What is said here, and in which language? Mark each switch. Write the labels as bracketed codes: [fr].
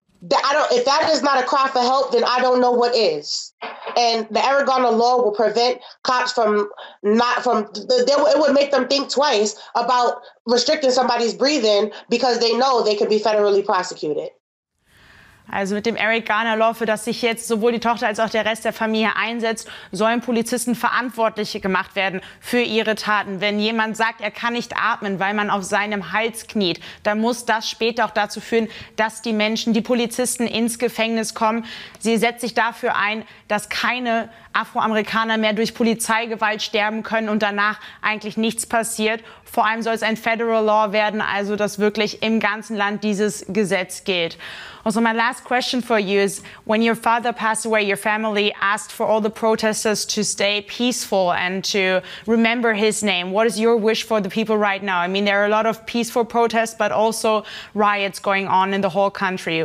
[en] If that is not a cry for help, then I don't know what is. And the Eric Garner law will prevent cops it would make them think twice about restricting somebody's breathing because they know they could be federally prosecuted. [de] Also mit dem Eric Garner Law, für das sich jetzt sowohl die Tochter als auch der Rest der Familie einsetzt, sollen Polizisten verantwortlich gemacht werden für ihre Taten. Wenn jemand sagt, er kann nicht atmen, weil man auf seinem Hals kniet, dann muss das später auch dazu führen, dass die Polizisten ins Gefängnis kommen. Sie setzt sich dafür ein, dass keine Afroamerikaner mehr durch Polizeigewalt sterben können und danach eigentlich nichts passiert. Vor allem soll es ein Federal Law werden, also dass wirklich im ganzen Land dieses Gesetz gilt. [en] Also my last question for you is, when your father passed away, your family asked for all the protesters to stay peaceful and to remember his name. What is your wish for the people right now? I mean, there are a lot of peaceful protests, but also riots going on in the whole country.